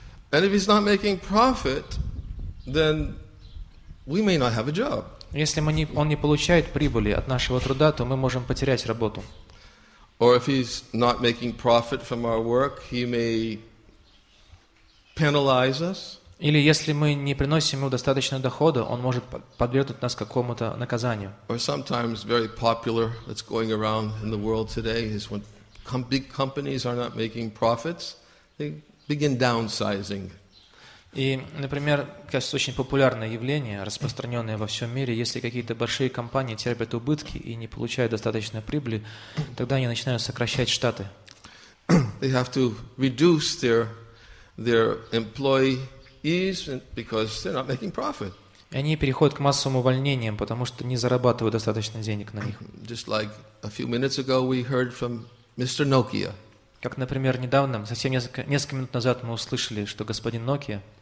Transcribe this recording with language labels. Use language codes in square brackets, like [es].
[en] And if he's not making profit, then we may not have a job. [ru] Если мы не, он не получает прибыли от нашего труда, то мы можем потерять работу. [en] Or if he's not making profit from our work, he may penalize us. [ru] Или если мы не приносим ему достаточного дохода, он может подвергнуть нас какому-то наказанию. [en] Or sometimes very popular that's going around in the world today is when big companies are not making profits, they begin downsizing. [ru] И, например, кажется, очень популярное явление, распространенное во всем мире, если какие-то большие компании терпят убытки и не получают достаточной прибыли, тогда они начинают сокращать штаты. [en] They have to reduce their employees because they're not making profit. [ru] И они переходят к массовым увольнениям, потому что не зарабатывают достаточно денег на них. [en] Just like a few minutes ago we heard from Mr. Nokia. [ru] Как, например, недавно, совсем несколько минут назад мы услышали, что господин Nokia.